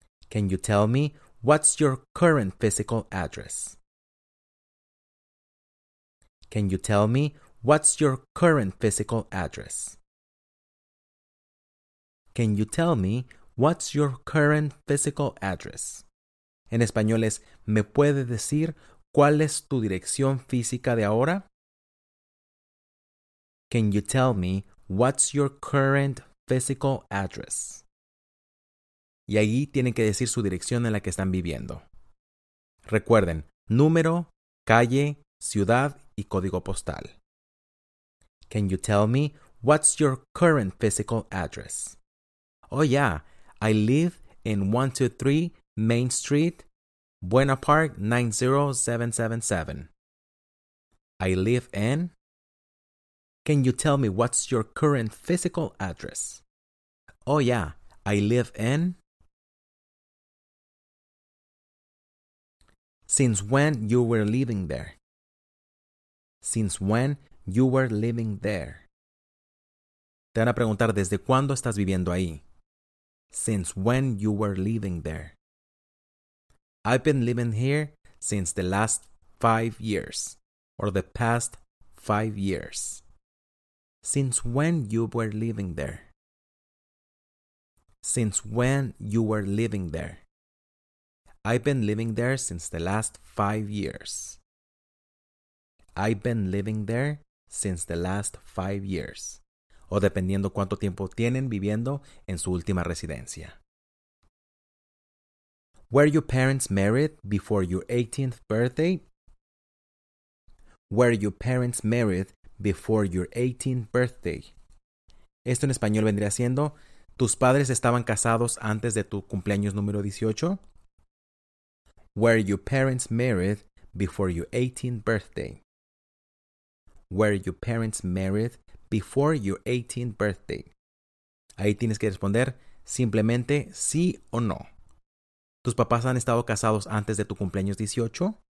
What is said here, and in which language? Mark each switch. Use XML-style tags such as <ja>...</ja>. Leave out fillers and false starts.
<en>Can you tell me what's your current physical address? Can you tell me what's your current physical address? Can you tell me what's your current physical address?</en> <es>En español es, ¿me puede decir cuál es tu dirección física de ahora?</es> <en>Can you tell me what's your current physical address?</en> <es>Y ahí tienen que decir su dirección en la que están viviendo. Recuerden, número, calle, ciudad y código postal.</es> <en>Can you tell me what's your current physical address? Oh yeah, I live in 123 Main Street, Buena Park 90777. I live in... Can you tell me what's your current physical address? Oh yeah, I live in... Since when you were living there? since when you were living there?</en> <es>Te van a preguntar, ¿desde cuándo estás viviendo ahí?</es> <en>Since when you were living there. I've been living here since the last 5 years, or the past 5 years. Since when you were living there? Since when you were living there? I've been living there since the last 5 years. I've been living there since the last 5 years.</en> <es>O dependiendo cuánto tiempo tienen viviendo en su última residencia.</es> <en>Were your parents married before your 18th birthday? Were your parents married before your 18th birthday?</en> <es>Esto en español vendría siendo, ¿tus padres estaban casados antes de tu cumpleaños número 18?</es> <en>Were your parents married before your 18th birthday? Were your parents married before your 18th birthday?</en> <es>Ahí tienes que responder simplemente sí o no. ¿Tus papás han estado casados antes de tu cumpleaños 18?</es>